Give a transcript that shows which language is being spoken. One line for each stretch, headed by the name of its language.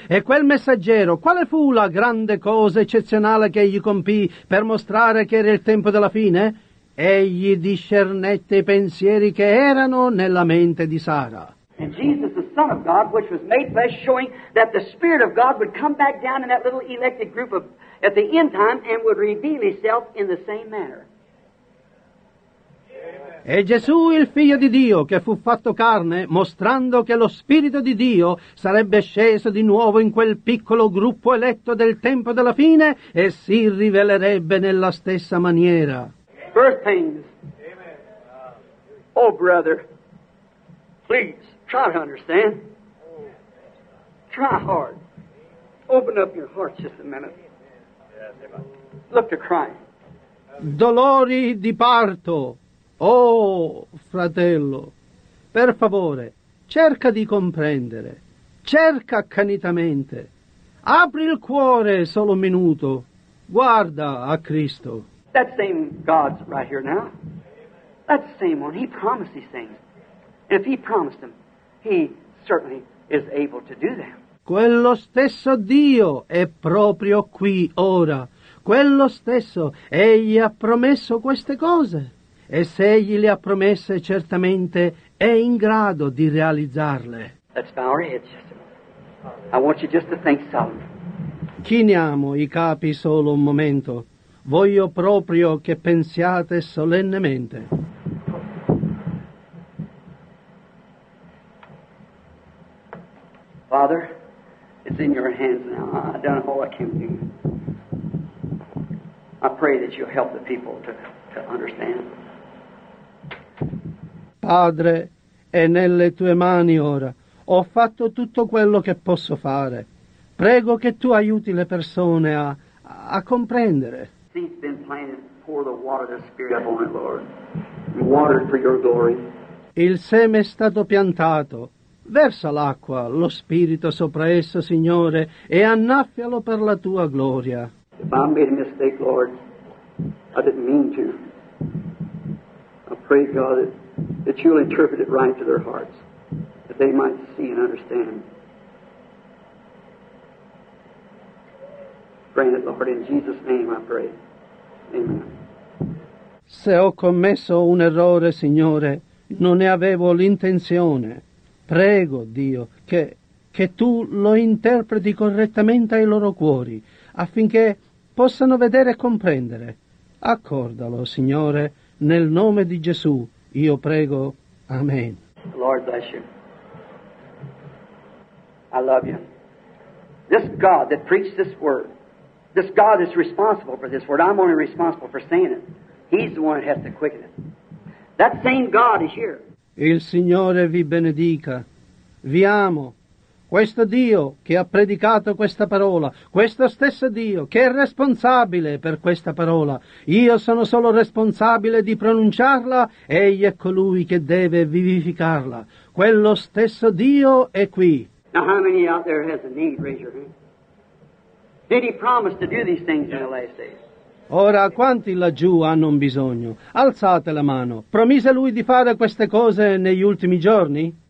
Italian: E quel messaggero, quale fu la grande cosa eccezionale che egli compì per mostrare che era il tempo della fine? Egli discernette i pensieri che erano nella mente di Sara.
English: And Jesus, the Son of God, which was made flesh, showing that the Spirit of God would come back down in that little elected group of at the end time and would reveal himself in the same manner.
Italian: E Gesù, il figlio di Dio, che fu fatto carne, mostrando che lo Spirito di Dio sarebbe sceso di nuovo in quel piccolo gruppo eletto del tempo della fine e si rivelerebbe nella stessa maniera.
English: Birth pains. Oh, brother, please, try to understand. Try hard. Open up your heart just a minute. Look to Christ.
Italian: Dolori di parto. Oh, fratello, per favore, cerca di comprendere. Cerca accanitamente. Apri il cuore solo un minuto. Guarda a Cristo.
English: That same God's right here now. That same one. He promised these things. And if he promised them, he certainly is able to do them.
Italian: Quello stesso Dio è proprio qui ora. Quello stesso, egli ha promesso queste cose. E se egli le ha promesse, certamente è in grado di realizzarle.
English: Let's bow our heads. I want you just to think solemnly.
Italian: Chiniamo i capi solo un momento. Voglio proprio che pensiate solennemente.
English: Father, it's in your hands now. I've done all I can do. I pray that you'll help the people to understand.
Italian: Padre, è nelle tue mani ora. Ho fatto tutto quello che posso fare. Prego che tu aiuti le persone a comprendere.
English: Seed's been planted. Pour the water of the Spirit upon it, Lord. Water for your glory.
Italian: Il seme è stato piantato. Versa l'acqua, lo Spirito sopra esso, Signore, e annaffialo per la tua gloria.
English: If I made a mistake, Lord, I didn't mean to. I pray, God, that you'll interpret it right to their hearts, that they might see and understand. Grant it, Lord, in Jesus' name I pray. Amen.
Italian: Se ho commesso un errore, Signore, non ne avevo l'intenzione. Prego, Dio, che tu lo interpreti correttamente ai loro cuori, affinché possano vedere e comprendere. Accordalo, Signore, nel nome di Gesù, io prego. Amen.
English: Lord bless you. I love you. This God that preached this word, this God is responsible for this word. I'm only responsible for saying it. He's the one that has to quicken it. That same God is here.
Italian: Il Signore vi benedica. Vi amo. Questo Dio che ha predicato questa parola, questo stesso Dio che è responsabile per questa parola, io sono solo responsabile di pronunciarla, egli è colui che deve vivificarla. Quello stesso Dio è qui.
English: Now how many out there has a need? Raise your hand. Did he promise to do these things in the last days?
Italian: Ora, quanti laggiù hanno un bisogno? Alzate la mano. Promise lui di fare queste cose negli ultimi giorni?